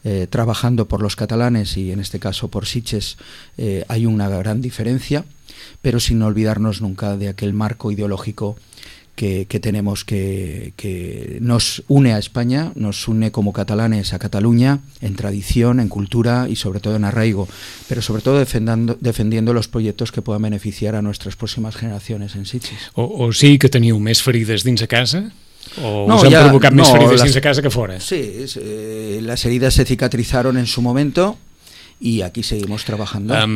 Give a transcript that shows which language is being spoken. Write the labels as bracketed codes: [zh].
[es] trabajando por los catalanes y en este caso por Sitges, hay una gran diferencia, pero sin olvidarnos nunca de aquel marco ideológico que tenemos, que nos une a España, nos une como catalanes a Cataluña, en tradición, en cultura y sobre todo en arraigo, pero sobre todo defendiendo los proyectos que puedan beneficiar a nuestras próximas generaciones en Sitges. [ca] O sí que teniu més ferides dins a casa, o no, us han ja, provocat més ferides dins a casa que fora? [es] Sí, [ca] les ferides [es] se cicatrizaron en su momento y aquí seguimos trabajando.